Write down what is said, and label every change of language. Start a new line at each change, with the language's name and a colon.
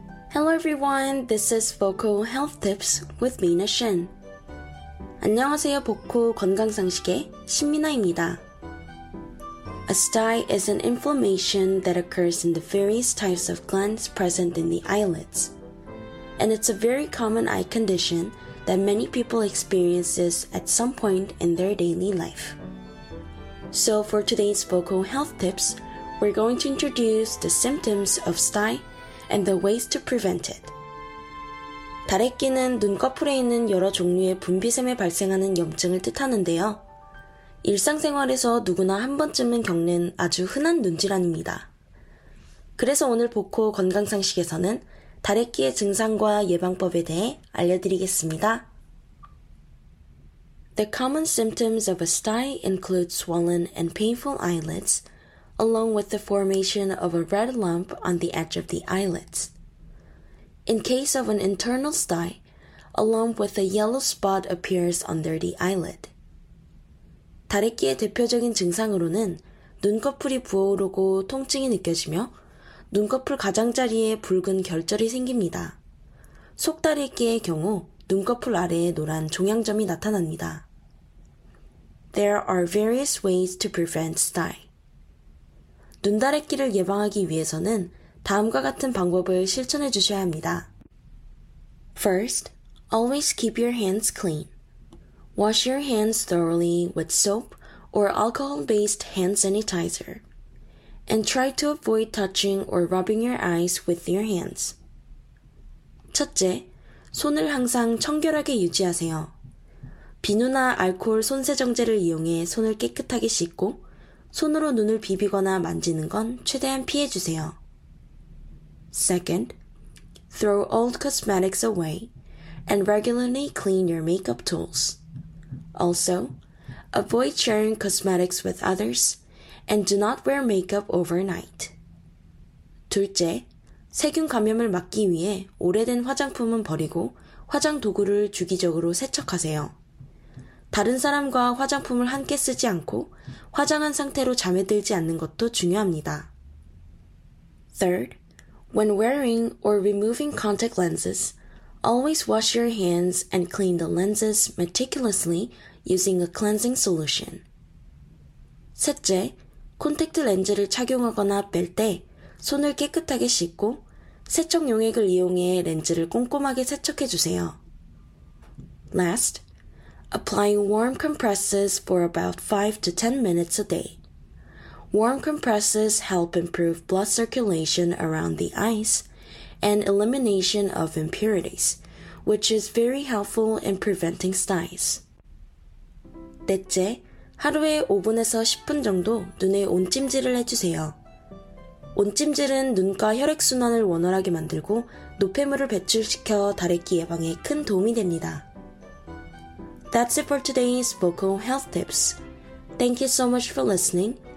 English: Hello everyone, this is Vocal Health Tips with Mina Shin.
Korean: 안녕하세요. 복후 건강상식의 신민아입니다.
English: A sty is an inflammation that occurs in the various types of glands present in the eyelids. And it's a very common eye condition that many people experience at some point in their daily life. So for today's vocal health tips, we're going to introduce the symptoms of sty and the ways to prevent it.
Korean: 다래끼는 눈꺼풀에 있는 여러 종류의 분비샘에 발생하는 염증을 뜻하는데요. 일상생활에서 누구나 한 번쯤은 겪는 아주 흔한 눈질환입니다. 그래서 오늘 복호 건강상식에서는 다래끼의 증상과 예방법에 대해 알려드리겠습니다.
English: The common symptoms of a sty include swollen and painful eyelids, along with the formation of a red lump on the edge of the eyelids. In case of an internal sty, a lump with a yellow spot appears under the eyelid.
Korean: 다래끼의 대표적인 증상으로는 눈꺼풀이 부어오르고 통증이 느껴지며 눈꺼풀 가장자리에 붉은 결절이 생깁니다. 속다래끼의 경우 눈꺼풀 아래에 노란 종양점이 나타납니다.
English: There are various ways to prevent sty.
Korean: 눈다래끼를 예방하기 위해서는 다음과 같은 방법을 실천해 주셔야 합니다.
English: First, always keep your hands clean. Wash your hands thoroughly with soap or alcohol-based hand sanitizer. And try to avoid touching or rubbing your eyes with your hands.
Korean: 첫째, 손을 항상 청결하게 유지하세요. 비누나 알코올 손세정제를 이용해 손을 깨끗하게 씻고 손으로 눈을 비비거나 만지는 건 최대한 피해 주세요.
English: Second, throw old cosmetics away and regularly clean your makeup tools. Also, avoid sharing cosmetics with others and do not wear makeup overnight.
Korean: 둘째, 세균 감염을 막기 위해 오래된 화장품은 버리고 화장 도구를 주기적으로 세척하세요. 다른 사람과 화장품을 함께 쓰지 않고 화장한 상태로 잠에 들지 않는 것도 중요합니다.
English: Third, when wearing or removing contact lenses, always wash your hands and clean the lenses meticulously using a cleansing solution.
Korean: 셋째, 콘택트 렌즈를 착용하거나 뺄 때 손을 깨끗하게 씻고 세척 용액을 이용해 렌즈를 꼼꼼하게 세척해 주세요.
English: Last, apply warm compresses for about 5 to 10 minutes a day. Warm compresses help improve blood circulation around the eyes and elimination of impurities, which is very helpful in preventing styes.
Korean: 넷째, 하루에 5분에서 10분 정도 눈에 온찜질을 해주세요. 온찜질은 눈과 혈액순환을 원활하게 만들고 노폐물을 배출시켜 다래끼 예방에 큰 도움이 됩니다.
English: That's it for today's vocal health tips. Thank you so much for listening.